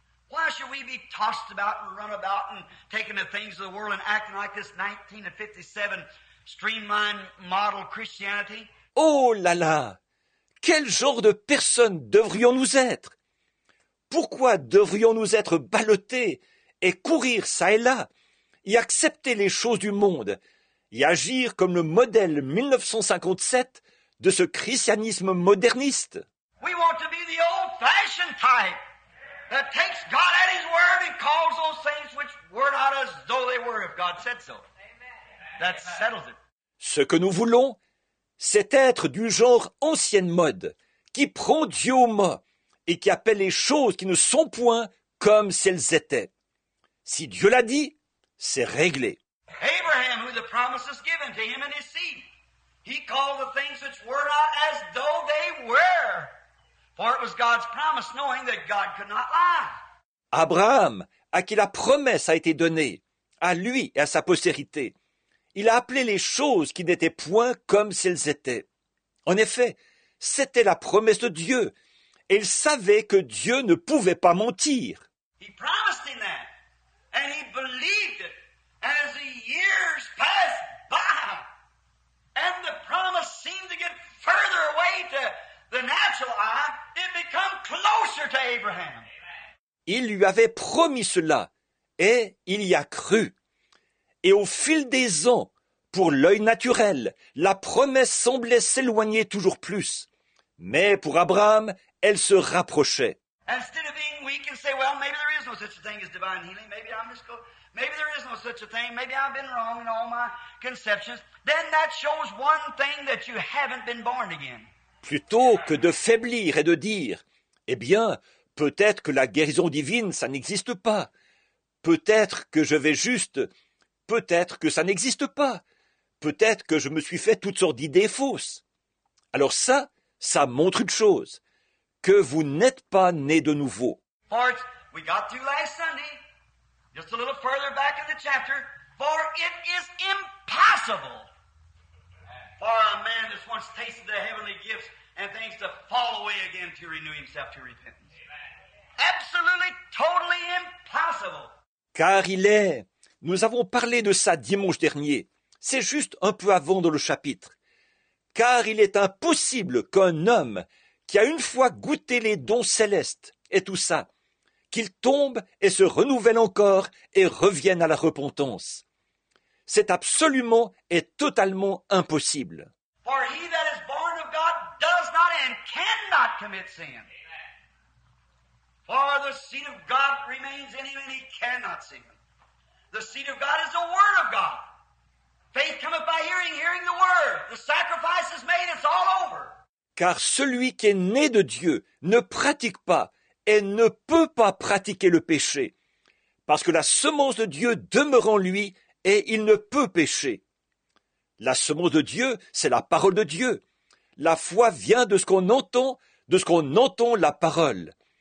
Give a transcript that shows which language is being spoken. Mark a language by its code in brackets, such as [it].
[en] Why should we be tossed about and run about and taking the things of the world and acting like this 1957 streamlined model Christianity? [fr] Oh là là! Quel genre de personnes devrions-nous être? Pourquoi devrions-nous être ballottés et courir ça et là, y accepter les choses du monde, y agir comme le modèle 1957 de ce christianisme moderniste? [en] We want to be the old-fashioned type. That takes God at His word and calls those things which were not as though they were if God said so. Amen. That settles it. [fr] Ce que nous voulons, c'est être du genre ancienne mode, qui prend Dieu au mot et qui appelle les choses qui ne sont point comme si elles étaient. Si Dieu l'a dit, c'est réglé. [en] Abraham, who the promise is given to him and his seed, he called the things which were not as though they were. For it was God's promise, knowing that God could not lie. [fr] Abraham, à qui la promesse a été donnée, à lui et à sa postérité, il a appelé les choses qui n'étaient point comme si elles étaient. En effet, c'était la promesse de Dieu, et il savait que Dieu ne pouvait pas mentir. [en] He promised him that, and he believed it as the years passed by, and the promise seemed to get further away to the natural eye, it became closer to Abraham. [fr] Il lui avait promis cela, et il y a cru. Et au fil des ans, pour l'œil naturel, la promesse semblait s'éloigner toujours plus. Mais pour Abraham, elle se rapprochait. [en] Instead of being weak and say, well, maybe there is no such a thing as divine healing. Maybe I'm just going. Maybe there is no such a thing. Maybe I've been wrong in all my conceptions. Then that shows one thing, that you haven't been born again. [fr] Plutôt que de faiblir et de dire, eh bien, peut-être que la guérison divine, ça n'existe pas. Peut-être que je vais juste. Peut-être que ça n'existe pas. Peut-être que je me suis fait toutes sortes d'idées fausses. Alors ça, ça montre une chose, que vous n'êtes pas né de nouveau. [en] For it, we got to last Sunday, just a little further back in the chapter, for it is impossible. For a man that's once tasted the heavenly gifts and things to fall away again to renew himself to repentance. Amen. Absolutely, totally impossible. [fr] Car il est, nous avons parlé de ça dimanche dernier, c'est juste un peu avant dans le chapitre. Car il est impossible qu'un homme qui a une fois goûté les dons célestes et tout ça, qu'il tombe et se renouvelle encore et revienne à la repentance. C'est absolument et totalement impossible. [en] For he that is born of God does not and cannot commit sin. Amen. For the seed of God remains in him and he cannot sin. The seed of God is the word of God. Faith cometh by hearing, hearing the word. The sacrifice is made, it's all over. [fr] Car celui qui est né de Dieu ne pratique pas et ne peut pas pratiquer le péché. Parce que la semence de Dieu demeure en lui. Et il ne peut pécher. La semence de Dieu, c'est la parole de Dieu. La foi vient de ce qu'on entend, de ce qu'on entend la parole.